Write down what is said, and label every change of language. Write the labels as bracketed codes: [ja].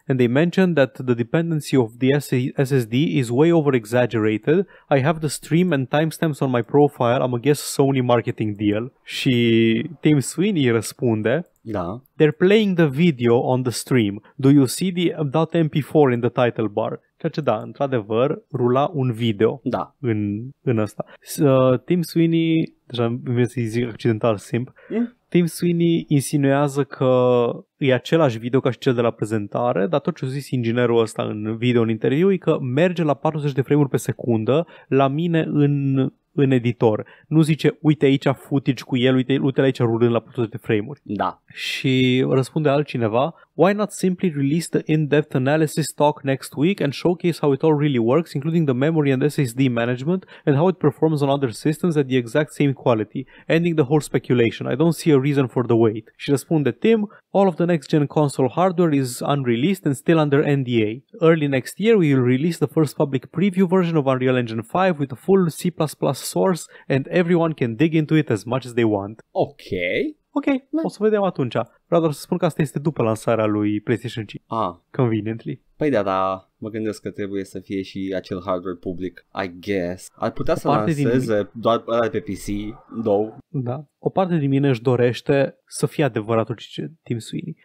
[en] And they mentioned that the dependency of the SSD is way over exaggerated. I have the stream and timestamps on my profile. I'm a guess Sony marketing deal." [ro] Și Tim Sweeney răspunde: "Da. [en] They're playing the video on the stream. Do you see the .mp4 in the title bar?" [ro] Ceea ce da, într-adevăr, rula un video da. în ăsta. Tim Sweeney, deja vreau să-i zic accidental simp, Tim Sweeney insinuează că e același video ca și cel de la prezentare, dar tot ce a zis inginerul ăsta în video, în interviu, e că merge la 40 de frame-uri pe secundă la mine în editor. Nu zice, uite aici footage cu el, uite aici rulând la 40 de frame-uri. Da. Și răspunde altcineva: [en] "Why not simply release the in-depth analysis talk next week and showcase how it all really works, including the memory and SSD management and how it performs on other systems at the exact same quality, ending the whole speculation. I don't see a reason for the wait." [ro] Și răspunde Tim: [en] "All of the next-gen console hardware is unreleased and still under NDA. Early next year, we will release the first public preview version of Unreal Engine 5 with a full C++ source and everyone can dig into it as much as they want." Okay. [ro] Ok, o să vedem atunci. Vreau doar să spun că asta este după lansarea lui PlayStation 5. Ah. [en] Conveniently. [ro] Păi da, da, mă gândesc că trebuie să fie și acel hardware public, [en] I guess. [ro] Ar putea să lanseze doar pe PC, două. Da. O parte din mine își dorește să fie adevărat orice ce Tim Sweeney.